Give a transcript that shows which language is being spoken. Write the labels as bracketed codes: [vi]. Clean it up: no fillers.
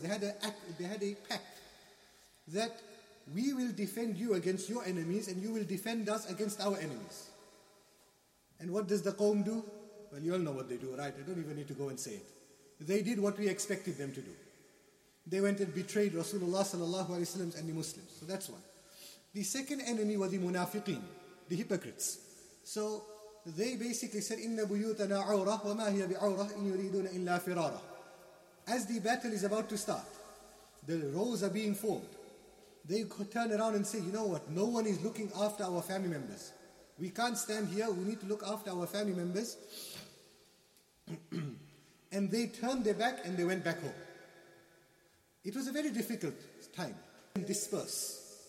[en] They had a pact that we will defend you against your enemies and you will defend us against our enemies. And what does the qawm do? Well, you all know what they do, right? I don't even need to go and say it. They did what we expected them to do. They went and betrayed Rasulullah sallallahu alaihi wasallam and the Muslims. So that's one. The second enemy were the munafiqeen, the hypocrites. [ar] So they basically said, إِنَّ بُيُوتَنَا عَوْرَةً وَمَا هِيَ بِعَوْرَةً إِنْ يُرِيدُونَ إِلَّا فِرَارَةً. [en] As the battle is about to start, the rows are being formed. They could turn around and say, you know what, no one is looking after our family members. We can't stand here, we need to look after our family members. And they turned their back and they went back home. It was a very difficult time. Disperse.